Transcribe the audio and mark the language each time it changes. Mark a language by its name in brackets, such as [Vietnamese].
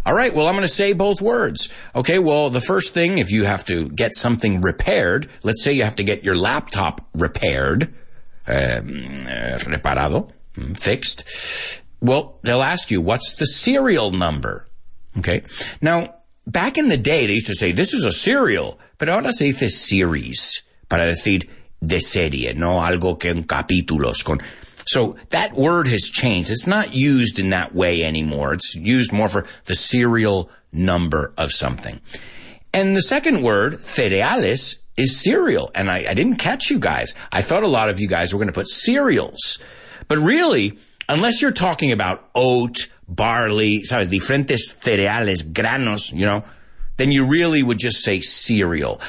[English] All right, well, I'm going to say both words. Okay, well, the first thing, if you have to get something repaired, let's say you have to get your laptop repaired, reparado, fixed. Well, they'll ask you, what's the serial number? Okay, now, back in the day, they used to say, this is a serial. [Spanish] Pero ahora se dice series, para decir de serie, no algo que en capítulos. [English] So that word has changed. It's not used in that way anymore. It's used more for the serial number of something. And the second word, cereales, is cereal. And I didn't catch you guys. I thought a lot of you guys were going to put cereals. But really, unless you're talking about oat, barley, [Spanish] sabes, diferentes cereales, granos, [English] you know, then you really would just say cereal.